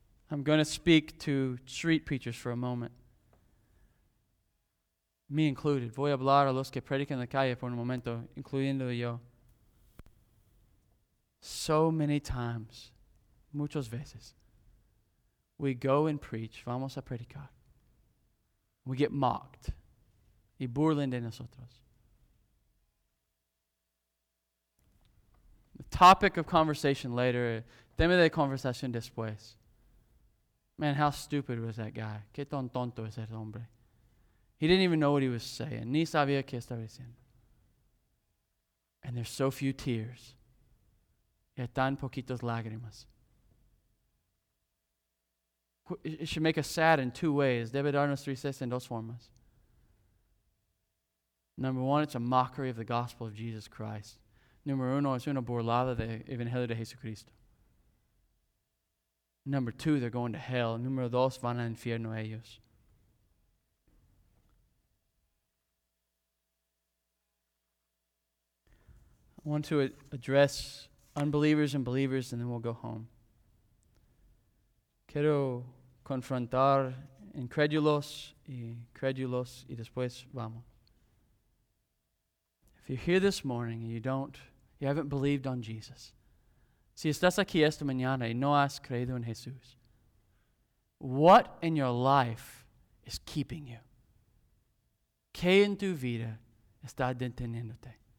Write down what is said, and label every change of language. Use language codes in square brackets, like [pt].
[en] I'm going to speak to street preachers for a moment. Me included. [es] Voy a hablar a los que predican la calle por un momento, incluyendo yo. [en] So many times, [es] muchas veces, [en] we go and preach, [es] vamos a predicar. [en] We get mocked. [es] Y burlan de nosotros. [en] The topic of conversation later, [es] tema de conversación después. [en] Man, how stupid was that guy? [es] Qué tonto es ese hombre. [en] He didn't even know what he was saying. [es] Ni sabía qué estaba diciendo. [en] And there's so few tears. [es] Y tan poquitos lágrimas. [en] It should make us sad in two ways. [es] Debe darnos tristeza en dos formas. [en] Number one, it's a mockery of the gospel of Jesus Christ. [es] Número uno, es una burlada del evangelio de Jesucristo. [en] Number two, they're going to hell. [es] Número dos, van al infierno ellos. [en] I want to address unbelievers and believers, and then we'll go home. [es] Quiero confrontar incrédulos y crédulos, y después vamos. [en] If you're here this morning and you haven't believed on Jesus. [es] Si estás aquí esta mañana y no has creído en Jesús, [en] what in your life is keeping you? [es] ¿Qué en tu vida está deteniéndote?